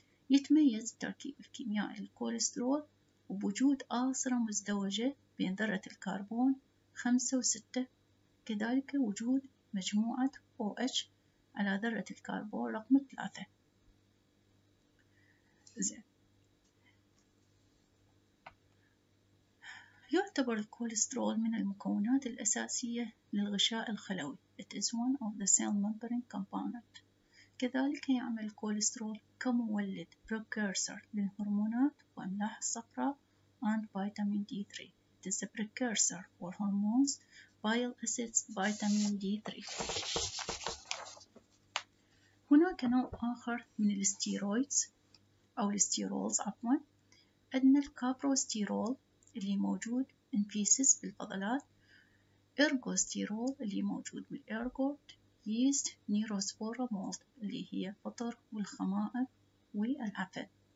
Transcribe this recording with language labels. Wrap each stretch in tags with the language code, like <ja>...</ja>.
<ar>يتميز التركيب الكيميائي للكوليسترول وبوجود آصرة مزدوجة بين ذرة الكربون 5 و 6، كذلك وجود مجموعة OH على ذرة الكربون رقم 3. يعتبر الكوليسترول من المكونات الأساسية للغشاء الخلوي.</ar> <en>It is one of the cell membrane component.</en> <ar>كذلك يعمل الكوليسترول كمولد precursor للهرمونات وأملاح الصفراء</ar> <en>and vitamin D3. It is a precursor for hormones, bile acids, vitamin D3.</en> <ar>هناك نوع آخر من الستيرويدز أو الستيرولز عفوا، أن الكابروستيرول اللي موجود</ar> <en>in feces</en> <ar>بالفضلات، إرغوستيرول اللي موجود بالإرغوت، yeast, نيروسبورا مولد اللي هي فطر والخمائر والعفن.</ar>